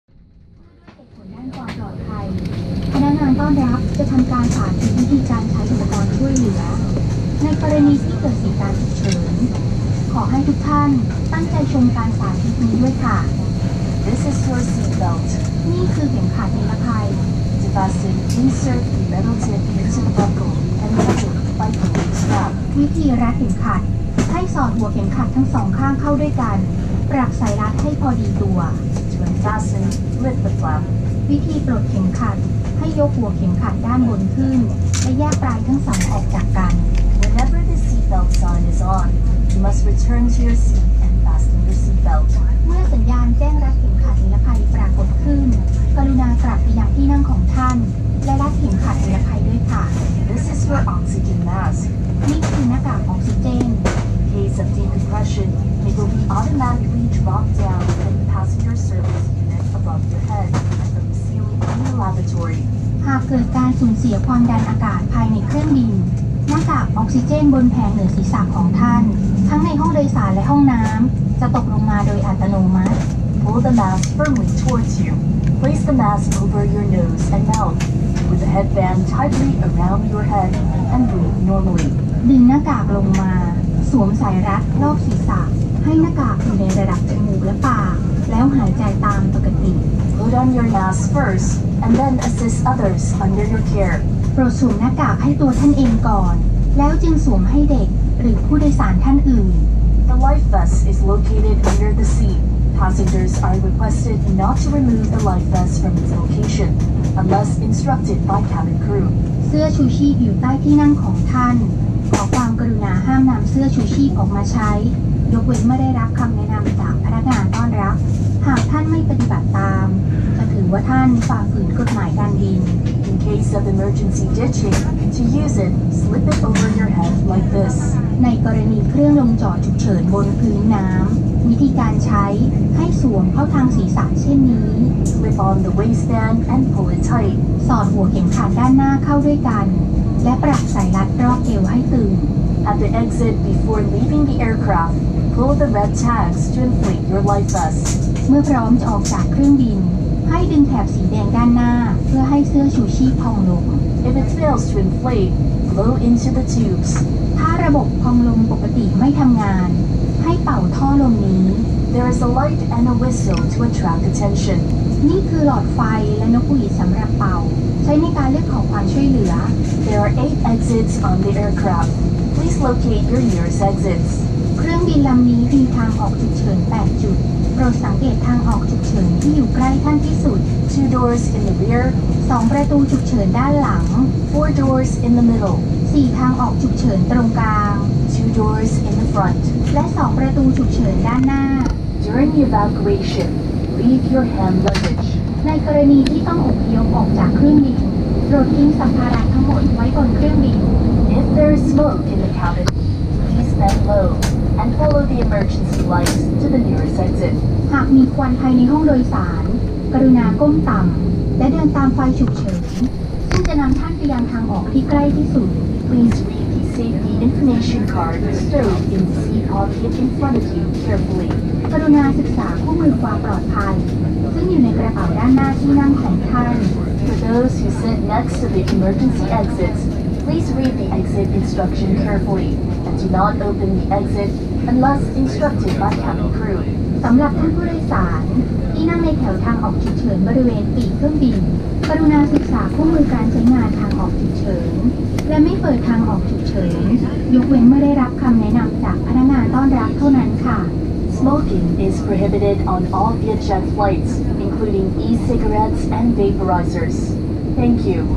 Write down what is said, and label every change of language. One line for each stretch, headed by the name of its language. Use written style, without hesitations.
Thai: ด้านความปลอดภัยพนักงานต้อนรับจะทำการสาธิตวิธีการใช้อุปกรณ์ช่วยเหลือในกรณีที่เกิดเหตุการณ์ฉุกเฉินขอให้ทุกท่านตั้งใจชมการสาธิตนี้ด้วยค่ะ
English: This is your seatbelt
Thai: นี่คือเข็มขัดนิรภัย
English: Fasten insert the metal tip into the buckle and hold it by the loose strap
Thai: วิธีรัดเข็มขัดให้สอดหัวเข็มขัดทั้งสองข้างเข้าด้วยกันปรับสายรัดให้พอดีตัว
English: When fasten, lift the flap
Thai: วิธีปลดเข็มขัดให้ยกหัวเข็มขัดด้านบนขึ้นและแยกปลายทั้งสองออกจากกัน
English: Whenever the seatbelt sign is on, you must return to your seat and fasten the seatbelt
Thai: เมื่อสัญญาณแจ้งรัดเข็มขัดนิรภัยปรากฏขึ้นกรุณากลับไปยังที่นั่งของท่านและรัดเข็มขัดนิรภัยด้วยค่ะ
English: This is your oxygen mask
Thai: นี่คือหน้ากากออกซิเจน
English: Case of decompression, it will be automatically dropped down at the passenger service unit above your head and from the ceiling in the lavatory.
Thai: หากเกิดการสูญเสียความดันอากาศภายในเครื่องบินหน้ากากออกซิเจนบนแผงเหนือศีรษะของท่านทั้งในห้องโดยสารและห้องน้ำจะตกลงมาโดยอัตโนมัติ
English: Pull the mask firmly towards you. Place the mask over your nose and mouth, with the headband tightly around your head, and breathe normally.
Thai: ดึงหน้ากากลงมาสวมสายรัดรอบศีรษะให้หน้ากากอยู่ในระดับจมูกและปากแล้วหายใจตามปกติ
English: Put on your mask first and then assist others under your care
Thai: โปรดสวมหน้ากากให้ตัวท่านเองก่อนแล้วจึงสวมให้เด็กหรือผู้โดยสารท่านอื่น
English: The life vest is located under the seat Passengers are requested not to remove the life vest from its location unless instructed by cabin crew
Thai: เสื้อชูชีพอยู่ใต้ที่นั่งของท่านขอความกรุณาห้ามนำเสื้อชูชีพออกมาใช้ยกเว้นเมื่อได้รับคำแนะนำจากพนักงานต้อนรับหากท่านไม่ปฏิบัติตามจะถือว่าท่านฝ่าฝืนกฎหมายการบิน
English: In case of emergency ditching to use it slip it over your head like this
Thai: ในกรณีเครื่องลงจอดฉุกเฉินบนพื้นน้ำวิธีการใช้ให้สวมเข้าทางศีรษะเช่นนี้
English: Clip on the waistband and pull it tight
Thai: สอดหัวเข็มขัดด้านหน้าเข้าด้วยกันและปรับสายรัดรอบเอวให้ตึง
English: At the exit before leaving the aircraft, pull the red tags to inflate your life vest.
Thai: เมื่อพร้อมจะออกจากเครื่องบินให้ดึงแถบสีแดงด้านหน้าเพื่อให้เสื้อชูชีพพองลง
English: If it fails to inflate, blow into the tubes.
Thai: ถ้าระบบพองลมปกติไม่ทำงานให้เป่าท่อลมนี้
English: There is a light and a whistle to attract attention.
Thai: นี่คือหลอดไฟและนกหวีดสำหรับเป่าใช้ในการเรียกขอความช่วยเหลือ
English: There are 8 exits on the aircraft. Please locate your nearest exits.
Thai: เครื่องบินลำนี้มีทางออกฉุกเฉิน8จุดโปรดสังเกตทางออกฉุกเฉินที่อยู่ใกล้ท่านที่สุด
English: 2 doors in the rear
Thai: 2ประตูฉุกเฉินด้านหลัง
English: 4 doors in the middle
Thai: 4ทางออกฉุกเฉินตรงกลาง
English: 2 doors in the front
Thai: และ2ประตูฉุกเฉินด้านหน้า
English: During the evacuation, leave your hand luggage
Thai: ในกรณีที่ต้องอพยพออกจากเครื่องบินโปรดทิ้งสัมภาระทั้งหมดไว้บนเครื่องบิน
English: If there is smoke in the cabin, please bend low and follow the emergency lights to the nearest exit.
Thai: หากมีควันภายในห้องโดยสารกรุณาก้มต่ำและเดินตามไฟฉุกเฉินซึ่งจะนำท่านไปยังทางออกที่ใกล้ที่สุด
English: Please read the safety information card stowed in the seat pocket in front of you carefully.
Thai: กรุณาศึกษาคู่มือความปลอดภัยซึ่งอยู่ในกระเป๋าด้านหน้าที่นั่งของท่าน
English: For those who sit next to the emergency exits, please read the exit instruction carefully and do not open the exit unless instructed by cabin crew.
Thai: สำหรับท่านผู้โดยสารที่นั่งในแถวทางออกฉุกเฉินบริเวณปีกเครื่องบินกรุณาศึกษาคู่มือการใช้งานทางออกฉุกเฉินและไม่เปิดทางออกฉุกเฉินยกเว้นเมื่อได้รับคำแนะนำจากพนักงานต้อนรับเท่านั้นค่ะ
English: Smoking is prohibited on all VietJet flights, including e-cigarettes and vaporizers. Thank you.